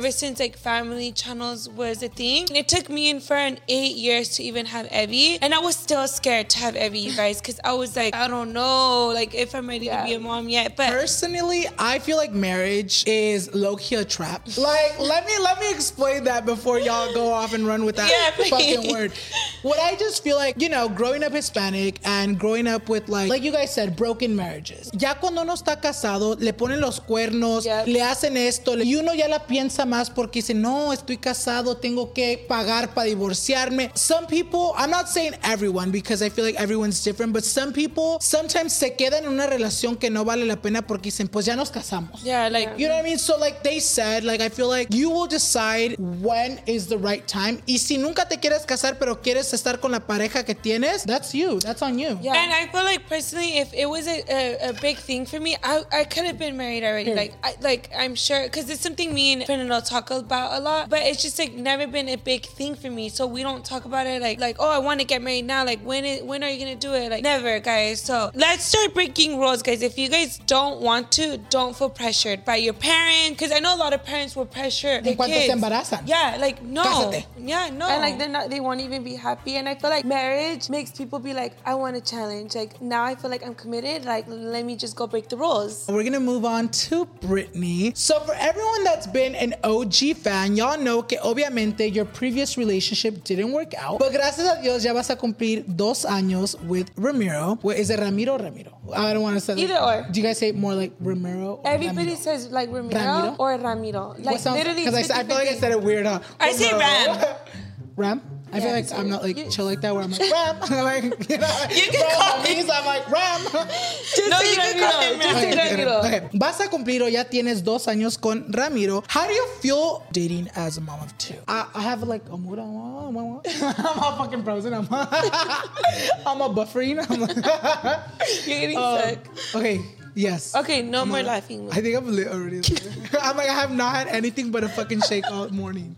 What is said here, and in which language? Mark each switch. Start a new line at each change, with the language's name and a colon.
English: ever since like family channels was a thing, it took me and Fern 8 years to even have Evie, and I was still scared to have Evie, you guys, because I was like, I don't know, like, if I'm ready yeah. to be a mom yet. But personally, I feel like marriage is low-key a trap. Like, let me explain that before y'all go off and run with that yeah, fucking word. What I just feel like, you know, growing up Hispanic and growing up with, like you guys said, broken marriages.
Spanish: Ya cuando uno está casado, le ponen los cuernos,
English: yep.
Spanish: le hacen esto, y uno ya la piensa más porque dice, no, estoy casado, tengo que pagar para divorciarme.
English: Some people, I'm not saying everyone, because I feel like everyone's different, but some people sometimes
Spanish: se quedan en una relación que no vale la pena porque dicen, pues ya nos casamos.
English: Yeah, like, yeah. You know what I mean? So, like they said, like, I feel like you will decide when is the right time.
Spanish: Y si nunca te quieres casar, pero quieres estar con la pareja que tienes,
English: that's you. That's on you. Yeah. And I feel like, personally, if it was a big thing for me, I could have been married already. Yeah. Like I'm sure, because it's something me and Fernando talk about a lot, but it's just, like, never been a big thing for me. So we don't talk about it like, oh, I want to get married now. Like, when are you going to do it? Like, never, guys. So let's start breaking rules, guys. If you guys don't want to, don't feel pressured by your parents, because I know a lot of parents will pressure their kids.
Spanish: En cuanto se embarazan.
English: Yeah, like, no.
Spanish: Cásate.
English: Yeah, no. And, like, they won't even be happy. And I feel like marriage makes people be like, I want a challenge. Like, now I feel like I'm committed. Like, let me just go break the rules. We're going to move on to Brittany. So for everyone that's been an OG fan, y'all know
Spanish: que obviamente
English: your previous relationship didn't work out.
Spanish: But gracias a Dios, ya vas a cumplir 2 años with Ramiro.
English: Wait, is it Ramiro or Ramiro? I don't want to say either that. Or. Do you guys say more like Ramiro or Everybody Ramiro? Says like Ramiro, Ramiro? Or Ramiro. Like, sounds, literally. Because I feel like I said it weird, huh? I say Ram. Ram? I feel like I'm not like chill like that where I'm like, Ram. Like, you know, you can call me. I'm like, Ram. No, you can call him Ramiro. Okay, okay.
Spanish: Vas a cumplir o ya tienes dos años con Ramiro.
English: How do you feel dating as a mom of two? I have like a mood. I'm all fucking frozen. I'm a buffering. You're getting sick. Okay. Yes. Okay, no more laughing. I think I'm lit already. I'm like, I have not had anything but a fucking shake all morning.